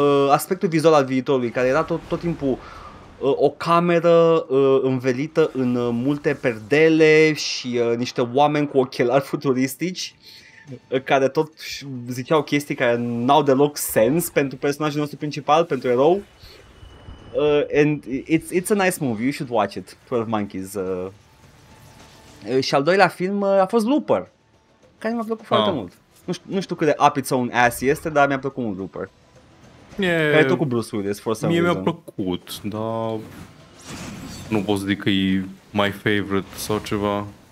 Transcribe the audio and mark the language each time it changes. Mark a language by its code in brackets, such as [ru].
[ro] Aspectul vizual al viitorului, care era tot timpul o cameră învelită în multe perdele și niște oameni cu ochelari futuristici care tot ziceau chestii care n-au deloc sens pentru personajul nostru principal, pentru erou. [en] And it's a nice movie, you should watch it, 12 Monkeys. [ro] Și al doilea film a fost Looper, care mi-a plăcut foarte mult. Nu știu cât de [en] up its own ass [ro] este, dar mi-a plăcut mult Looper. [en] Yeah, [ro] care e tot cu Bruce Willis, [en] for some reason. [ro] Mi-a plăcut, dar nu pot să zic că e [en] my favorite [ro] sau ceva.